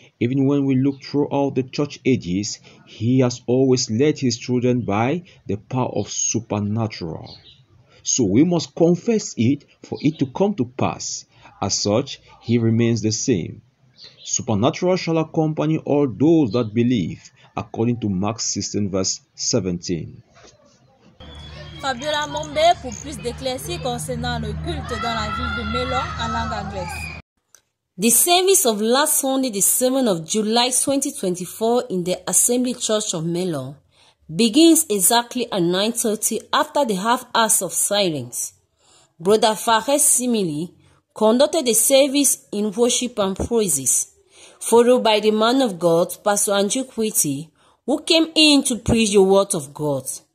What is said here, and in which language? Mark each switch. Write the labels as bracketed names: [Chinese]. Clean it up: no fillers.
[English] Even when we look throughout the church ages, he has always led his children by the power of supernatural. So we must confess it for it to come to pass. As such, he remains the same. Supernatural shall accompany all those that believe," according to Mark 16, verse 17. [French] Fabiola Mombe pour plus d'éclaircies concernant le culte dans la ville de Melon en langue anglaise. [English] The service of last Sunday, the 7th of July 2024 in the Assembly Church of Melon begins exactly at 9:30 after the half hours of silence. Brother Fares Simili conducted the service in worship and praises, followed by the man of God, Pastor Andrew Quitty, who came in to preach the word of God.